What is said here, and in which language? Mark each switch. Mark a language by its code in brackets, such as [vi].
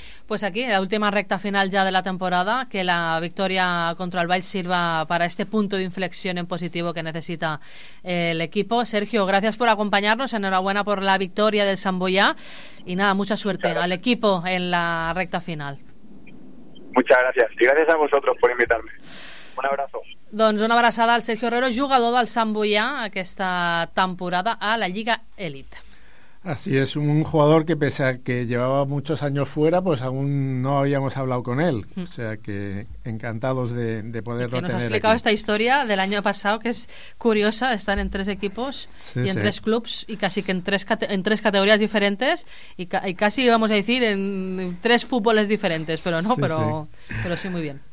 [es] Pues aquí, la última recta final ya de la temporada, que la victoria contra el Valls sirva para este punto de inflexión en positivo que necesita el equipo. Sergio, gracias por acompañarnos, enhorabuena por la victoria del Santboià y nada, mucha suerte al equipo en la recta final. Muchas gracias y gracias a vosotros por invitarme. Un abrazo. [ca] Doncs una abraçada al Sergio Herrero, jugador del Santboià aquesta temporada a la Lliga Elite. [es] Así es, un jugador que pese a que llevaba muchos años fuera, pues aún no habíamos hablado con él. O sea que encantados de poderlo tener. Que nos ha explicado esta historia del año pasado, que es curiosa, están en tres equipos en tres clubs y casi que en tres categorías diferentes y casi íbamos a decir en tres fútboles diferentes, pero no, pero sí, muy bien.